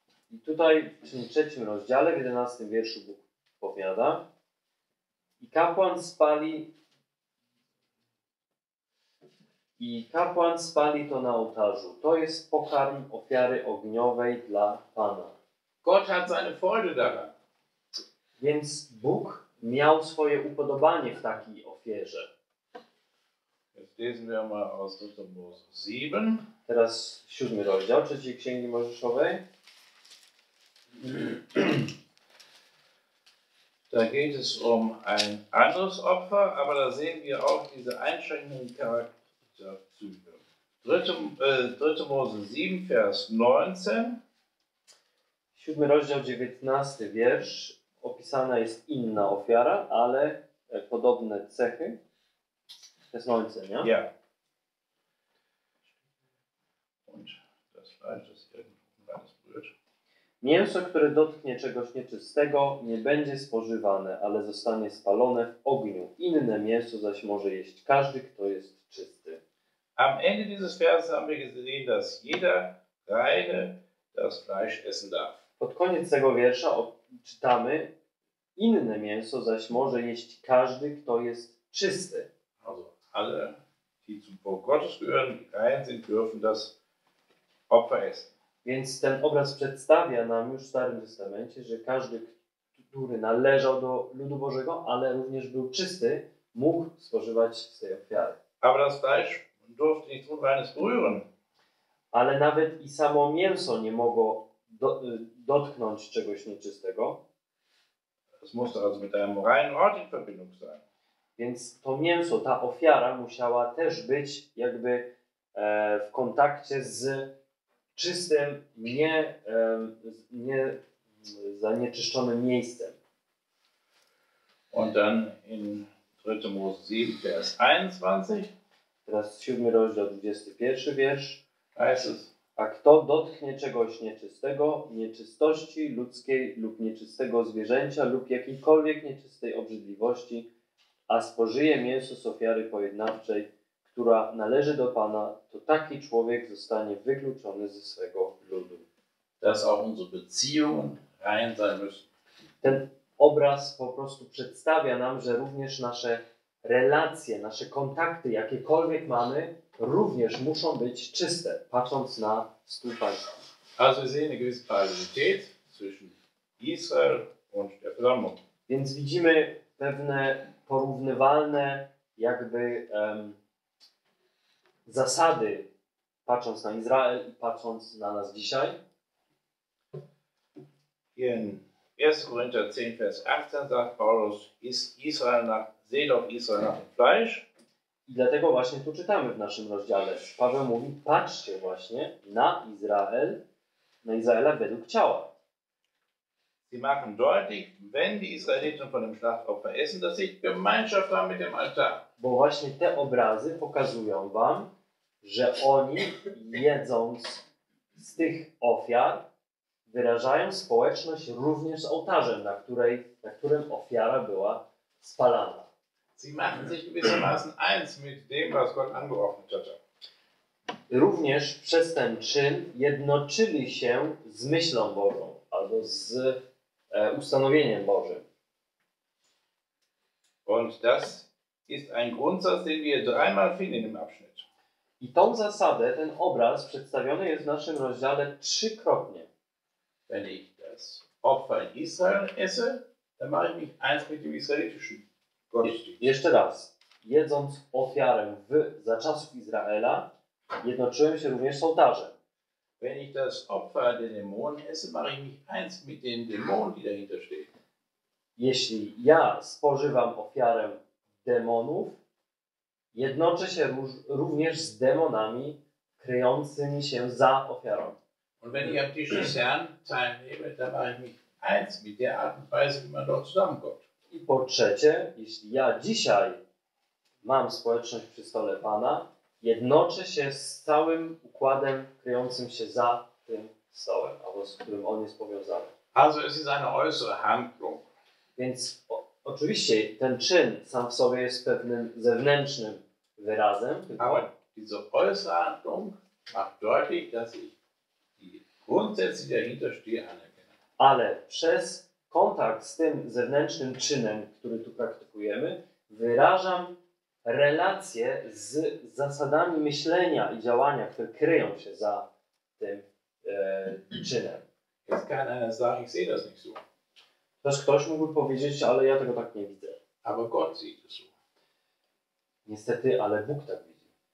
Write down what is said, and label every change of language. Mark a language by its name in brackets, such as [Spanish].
[Polish] I tutaj w 3. rozdziale, 11. wierszu Bóg powiada. I kapłan spali... I kapłan spali to na ołtarzu. To jest pokarm ofiary ogniowej dla Pana. [German] Gott hat seine Freude daran. [Polish] Więc Bóg miał swoje upodobanie w takiej ofierze. [German] Jetzt lesen wir mal aus 3. Mose 7. [Polish] Teraz 7. rozdział 3. Księgi Mojżeszowej. [German] Da geht es um ein anderes Opfer, aber da sehen wir auch diese einschränkenden Charakter. Dritte Mose 7, Vers 19. [Polish] 7 rozdział 19 wiersz. Opisana jest inna ofiara, ale podobne cechy. To jest 19, nie? [German] Ja. Und das Fleisch, das irgendwas berührt. [Polish] Mięso, które dotknie czegoś nieczystego, nie będzie spożywane, ale zostanie spalone w ogniu. Inne mięso zaś może jeść każdy, kto jest czysty. [German] Am Ende dieses Verses haben wir gesehen, dass jeder reine das Fleisch essen darf. [Polish] Pod koniec tego wiersza czytamy, inne mięso zaś może jeść każdy, kto jest czysty. [German] Also alle, die zum Volk Gottes gehören, die rein sind, dürfen das Opfer essen. [Polish] Więc ten obraz przedstawia nam już w Starym Testamencie, że każdy, który należał do ludu Bożego, ale również był czysty, mógł spożywać z tej ofiary. [German] Aber das Fleisch durfte nichts Unreines berühren. [Polish] Ale nawet i samo mięso nie mogło dotknąć czegoś nieczystego. [German] Es musste also mit einem reinen Ort in Verbindung sein. [Polish] Więc to mięso, ta ofiara musiała też być jakby w kontakcie z czystym, nie zanieczyszczonym miejscem. [German] Und dann in 3. Mose 7, Vers 21. [Polish] Teraz 7 rozdział 21 wiersz. A kto dotknie czegoś nieczystego, nieczystości ludzkiej lub nieczystego zwierzęcia lub jakiejkolwiek nieczystej obrzydliwości, a spożyje mięso z ofiary pojednawczej, która należy do Pana, to taki człowiek zostanie wykluczony ze swego ludu. [German] Dass auch unsere Beziehungen rein sein müssen. [Polish] Ten obraz po prostu przedstawia nam, że również nasze relacje, nasze kontakty, jakiekolwiek mamy, również muszą być czyste, patrząc na stół Pański. [German] Also wir sehen eine gewisse Parallelität zwischen Israel und der Verlammung. [Polish] Więc widzimy pewne porównywalne jakby zasady, patrząc na Izrael i patrząc na nas dzisiaj. [German] In 1 Korinther 10, Vers 18 sagt Paulus, ist Israel nach Seele auf Israel nach Fleisch? [Polish] I dlatego właśnie tu czytamy w naszym rozdziale. Paweł mówi, patrzcie właśnie na Izrael, na Izraela według ciała. [German] Sie machen deutlich, wenn die Israeliten von dem Schlachtopfer essen, dass sie Gemeinschaft haben mit dem Altar. [Polish] Bo właśnie te obrazy pokazują wam, że oni jedząc z tych ofiar, wyrażają społeczność również z ołtarzem, na którym ofiara była spalana. [German] Sie machen sich gewissermaßen eins mit dem, was Gott angeordnet hat. [Polish] Również przez ten czyn jednoczyli się z myślą Bożą, albo z ustanowieniem Bożym. [German] Und das ist ein Grundsatz, den wir dreimal finden in dem Abschnitt. [Polish] I tą zasadę, ten obraz przedstawiony jest w naszym rozdziale trzykrotnie. [German] Wenn ich das Opfer in Israel esse, dann mache ich mich eins mit dem israelitischen. [Polish] Jeszcze raz, jedząc ofiarę za czasów Izraela, jednoczyłem się również z ołtarzem. [German] Wenn ich das Opfer der Dämonen esse, mache ich mich eins mit den Dämonen, die dahinter stehen. [Polish] Jeśli ja spożywam ofiarę demonów, jednoczę się również z demonami kryjącymi się za ofiarą. [German] Und wenn ich am Tisch des Herrn teilnehme, dann mache ich mich eins mit der Art und Weise, wie man dort zusammenkommt. [Polish] I po trzecie, jeśli ja dzisiaj mam społeczność przy stole Pana, jednoczę się z całym układem kryjącym się za tym stołem, albo z którym on jest powiązany. [German] Also es ist eine äußere Handlung. [Polish] Więc oczywiście ten czyn sam w sobie jest pewnym zewnętrznym wyrazem. [German] Aber diese äußere Handlung macht deutlich, dass ich die grundsätzlich dahinter stehe anerkenne. [Polish] Ale przez kontakt z tym zewnętrznym czynem, który tu praktykujemy, wyrażam relacje z zasadami myślenia i działania, które kryją się za tym czynem. [German] Jetzt kann einer sagen, ich sehe das nicht so. [Polish] Też ktoś mógłby powiedzieć, ale ja tego tak nie widzę. [German] Aber Gott sieht es so. [Polish] Niestety, ale Bóg tak widzi.